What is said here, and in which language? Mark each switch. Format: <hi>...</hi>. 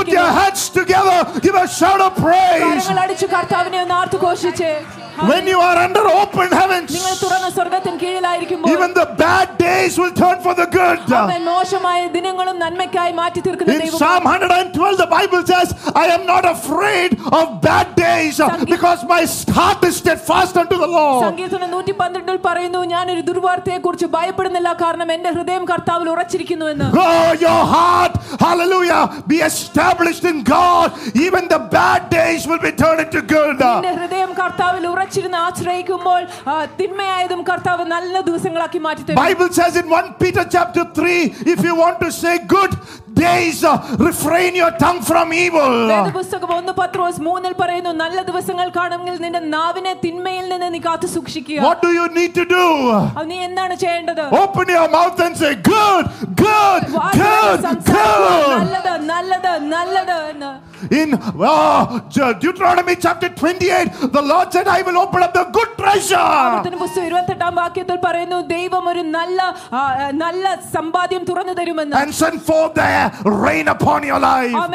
<en>Put your hands together give a shout of praise</en> <ml>കരങ്ങൾ അടിച്ച് കർത്താവിനെ ഒന്നാർത്തു ഘോഷിച്ചേ</ml> <en>When you are under open heavens</en> <ml>നിങ്ങൾ തുറന്ന സ്വർഗ്ഗത്തിൻ കീഴിലായിരിക്കുമ്പോൾ</ml> <en>Even the bad days will turn for the good</en> <ml>അവൻ മോശമായ ദിനങ്ങളും നന്മയ്ക്കായി മാറ്റി തീർക്കുന്ന ദൈവം</ml> <en>Psalm 112 the bible says I am not afraid of bad days because my heart is steadfast unto the lord</en> <ml>സംഗീതം 112 ൽ പറയുന്നു ഞാൻ ഒരു ദുർവാർത്തയെക്കുറിച്ച് ഭയപ്പെടുന്നില്ല കാരണം എൻ്റെ ഹൃദയം കർത്താവിൽ ഉറച്ചിരിക്കുന്നു എന്ന്</ml> <en>Oh your heart hallelujah be established in God, even the bad days will be turned into good.</en> <ml>നിന്റെ ഹൃദയം കർത്താവിൽ ഉറച്ചിരുന്ന് ആശ്രയിക്കുമ്പോൾ തിന്മയായതും കർത്താവ് നല്ല ദിവസങ്ങളാക്കി മാറ്റി തരും.</ml> <en>Bible says in 1 Peter chapter 3, if you want to say good days, refrain your tongue from evil.</en> <ml>പുസ്തകം 1 പത്രോസ് 3 ൽ പറയുന്നു, നല്ല ദിവസങ്ങൾ കാണുമെങ്കിൽ നിന്റെ നാവിനെ തിന്മയിൽ നിന്ന് നീ കാത്തു സൂക്ഷിക്കുക.</ml> <en>What do you need to do?</en> <ml>നീ എന്താണ് ചെയ്യേണ്ടത്?</ml> <en>Open your mouth and say good, good, good, good.</en> <ml>നല്ലത് നല്ലത് നല്ലത് എന്ന്</ml> <en>In Deuteronomy chapter 28, the Lord said, I will open up the good treasure and send forth the rain upon your life.</en>